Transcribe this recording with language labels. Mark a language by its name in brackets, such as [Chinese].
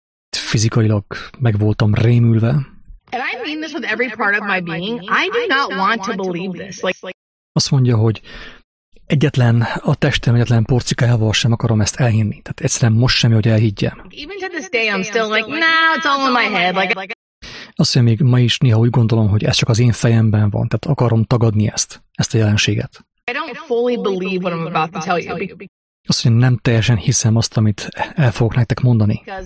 [Hungarian] Fizikailag meg voltam rémülve. [English] And I mean this with every part of my being. I do not want to believe this. [Hungarian] Azt mondja, hogy egyetlen a testem, egyetlen porcikájával sem akarom ezt elhinni. Tehát egyszerűen most sem, hogy elhiggyem. [English] Even to this day, I'm still like, nah, it's all in my head. [Hungarian] Azt mondja, még ma is néha úgy gondolom, hogy ez csak az én fejemben van, tehát akarom tagadni ezt a jelenséget. [English] I don't fully believe what I'm about to tell you. [Hungarian] Azt mondja, nem teljesen hiszem azt, amit el fogok nektek mondani.